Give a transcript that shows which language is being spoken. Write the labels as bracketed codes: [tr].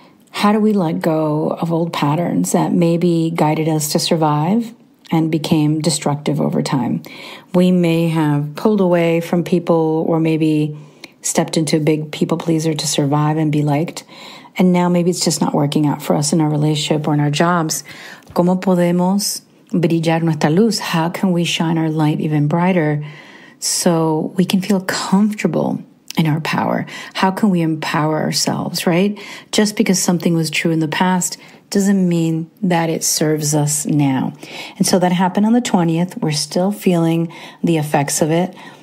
[en] How do we let go of old patterns that maybe guided us to survive and became destructive over time? We may have pulled away from people, or maybe stepped into a big people pleaser to survive and be liked. And now maybe it's just not working out for us in our relationship or in our jobs. [es] ¿Cómo podemos brillar nuestra luz? [en] How can we shine our light even brighter so we can feel comfortable in our power? How can we empower ourselves, right? Just because something was true in the past doesn't mean that it serves us now. And so that happened on the 20th. We're still feeling the effects of it.